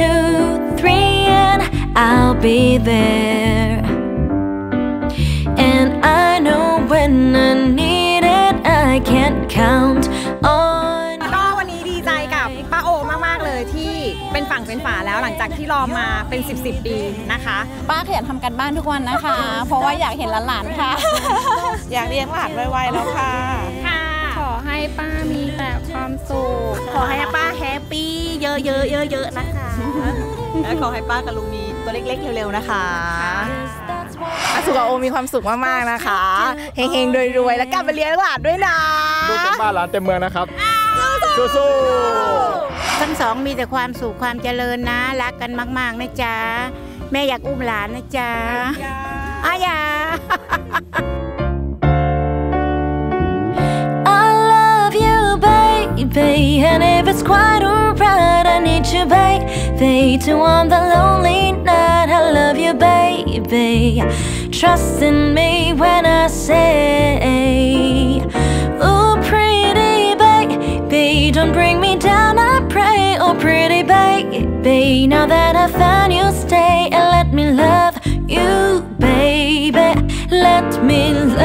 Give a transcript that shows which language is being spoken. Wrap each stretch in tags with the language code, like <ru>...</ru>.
<en>two, three, and I'll be there. And I know when I need it, I can't count on.</en> <th>ก็วันนี้ดีใจกับป้าโอมากๆเลยที่เป็นฝั่งเป็นฝาแล้วหลังจากที่รอมาเป็น10ปีนะคะ ป้าขยันทำกันบ้านทุกวันนะคะเพราะว่าอยากเห็นหลานๆค่ะ อยากเลี้ยงหลานไวๆแล้วค่ะ ขอให้ป้ามีแต่ความสุข ขอให้ป้าแฮปปี้เยอะๆเยอะๆนะคะ และขอให้ป้ากับลุงมีตัวเล็กๆเร็วๆนะคะ อาสุกับโอมีความสุขมากๆนะคะเฮงๆรวยๆและกลับมาเลี้ยงหลานด้วยนะ ลูกเต็มบ้านหลานเต็มเมืองนะครับ สู้ๆสู้ทั้งสองมีแต่ความสุขความเจริญนะรักกันมากๆนะจ๊ะแม่อยากอุ้มหลานนะจ๊ะอาอย่า</th> <en>I love you baby and if it's quite alright I need you baby to warm the lonely night I love you babyTrust in me when I say Oh pretty baby Don't bring me down I pray Oh pretty baby Now that I found you stay And let me love you baby Let me love you</en>